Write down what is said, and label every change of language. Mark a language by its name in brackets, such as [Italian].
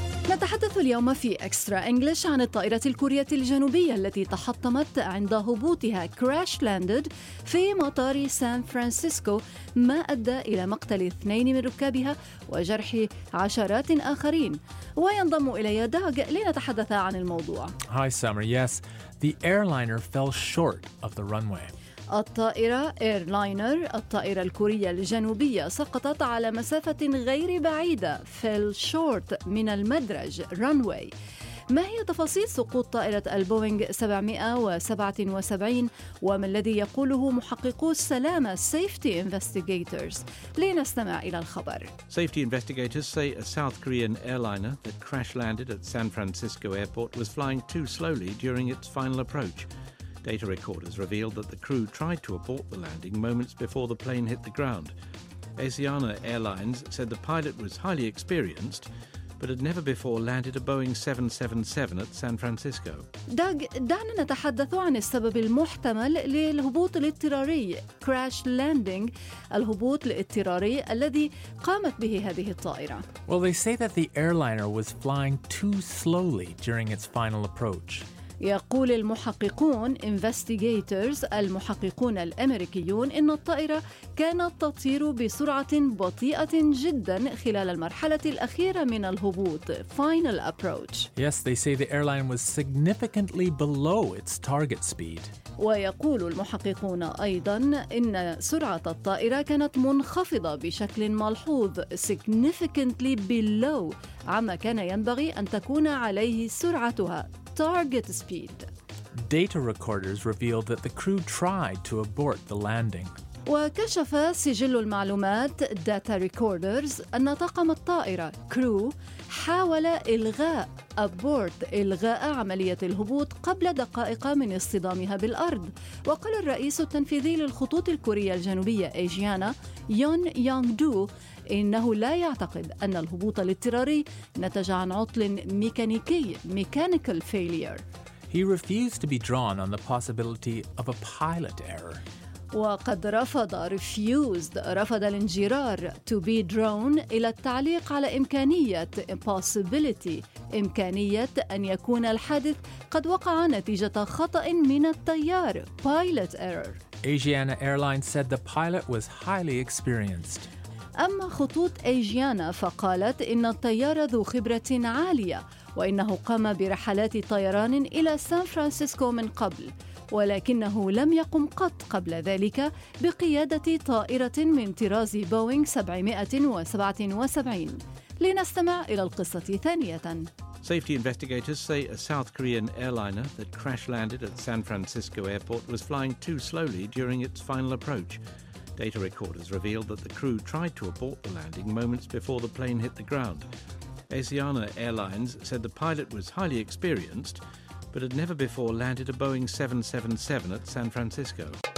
[Arabic] نتحدث اليوم في إكسترا إنجليش عن الطائرة الكورية الجنوبية التي تحطمت عند هبوطها [English] crash landed [Arabic] في مطار سان فرانسيسكو، ما أدى إلى مقتل 2 من ركابها وجرح عشرات آخرين. وينضم إلي داغ لنتحدث عن الموضوع. [English] Hi Summer. Yes, the airliner fell short of the runway. [Arabic] الطائرة إيرلاينر، الطائرة الكورية الجنوبية، سقطت على مسافة غير بعيدة، [English] fell short [Arabic] من المدرج runway. ما هي تفاصيل سقوط طائرة البوينغ 777 وما الذي يقوله محققو السلامة [English] safety investigators؟ [Arabic] لنستمع إلى الخبر. [English] Safety investigators say a South Korean airliner that crash landed at San Francisco Airport was flying too slowly during its final approach. Data recorders revealed that the crew tried to abort the landing moments before the plane hit the ground. Asiana Airlines said the pilot was highly experienced, but had never before landed a Boeing 777 at San Francisco. [Arabic] داغ، دعنا نتحدث عن السبب المحتمل للهبوط الاضطراري، [English] crash landing، [Arabic] الهبوط الاضطراري الذي قامت به هذه الطائرة. [English] Well, they say that the airliner was flying too slowly during its final approach. [Arabic] يقول المحققون investigators، المحققون الأمريكيون، إن الطائرة كانت تطير بسرعة بطيئة جدا خلال المرحلة الأخيرة من الهبوط [English] final approach. Yes, they say the airline was significantly below its target speed. [Arabic] ويقول المحققون أيضا إن سرعة الطائرة كانت منخفضة بشكل ملحوظ، [English] significantly below [Arabic] عما كان ينبغي أن تكون عليه سرعتها، [English] target speed. Data recorders revealed that the crew tried to abort the landing. [Arabic] وكشف سجل المعلومات [English] data recorders [Arabic] أن طاقم الطائرة crew حاول إلغاء abort، إلغاء عملية الهبوط قبل دقائق من اصطدامها بالأرض. وقال الرئيس التنفيذي للخطوط الكورية الجنوبية إيجيانا يون يونغ دو إنه لا يعتقد أن الهبوط الاضطراري نتج عن عطل ميكانيكي، [English] mechanical failure. He refused to be drawn on the possibility of a pilot error. [Arabic] وقد رفض رفض الانجرار [English] to be drawn [Arabic] إلى التعليق على إمكانية possibility، إمكانية أن يكون الحادث قد وقع نتيجة خطأ من الطيار، [English] pilot error. Asiana Airlines said the pilot was highly experienced. [Arabic] أما خطوط إيجيانا فقالت إن الطيار ذو خبرة عالية وإنه قام برحلات طيران إلى سان فرانسيسكو من قبل، ولكنه لم يقم قط قبل ذلك بقيادة طائرة من طراز بوينغ 777. لنستمع إلى القصة ثانية. [English] Safety investigators say a South Korean airliner that crash-landed at San Francisco Airport was flying too slowly during its final approach. Data recorders revealed that the crew tried to abort the landing moments before the plane hit the ground. Asiana Airlines said the pilot was highly experienced, but had never before landed a Boeing 777 at San Francisco.